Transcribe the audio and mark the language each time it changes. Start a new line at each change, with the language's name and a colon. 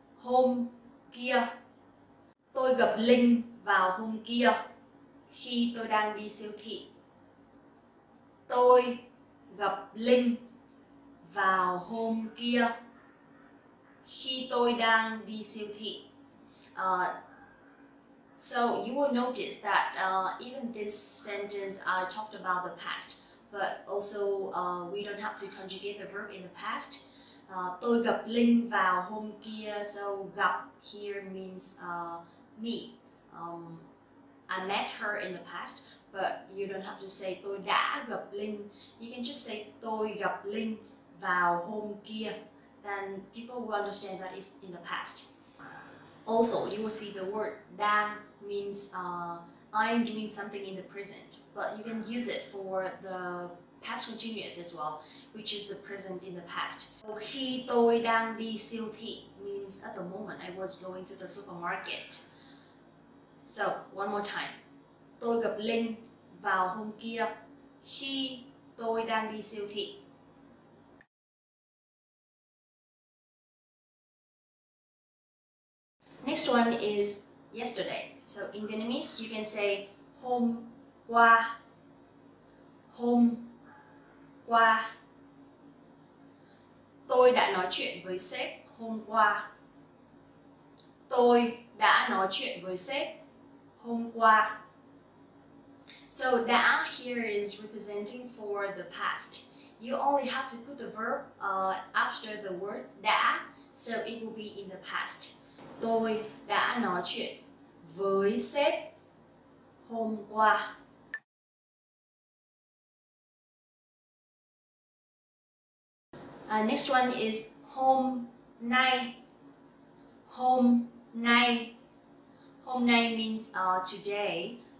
Vietnamese: Hôm kia, tôi gặp Linh vào hôm kia khi tôi đang đi siêu thị. Tôi gặp Linh vào hôm kia khi tôi đang đi siêu thị.
English: So you will notice that even this sentence I talked about the past, but also we don't have to conjugate the verb in the past.
Vietnamese: Tôi gặp Linh vào hôm kia.
English: So gặp here means meet. I met her in the past, but you don't have to say
Vietnamese: tôi đã gặp Linh.
English: You can just say
Vietnamese: tôi gặp Linh vào hôm kia.
English: Then people will understand that it's in the past. Also, you will see the word đang means I'm doing something in the present, but you can use it for the past continuous as well, which is the present in the past. So,
Vietnamese: khi tôi đang đi siêu thị
English: means at the moment I was going to the supermarket. So, one more time.
Vietnamese: Tôi gặp Linh vào hôm kia khi tôi đang đi siêu thị.
English: Next one is yesterday. So, in Vietnamese, you can say hôm qua.
Vietnamese: Hôm qua. Tôi đã nói chuyện với sếp hôm qua. Tôi đã nói chuyện với sếp hôm qua.
English: So đã here is representing for the past. you only have to put the verb after the word đã, so it will be in the past.
Vietnamese: Tôi đã nói chuyện với sếp hôm qua.
English: Next one is hôm nay. Hôm nay means today.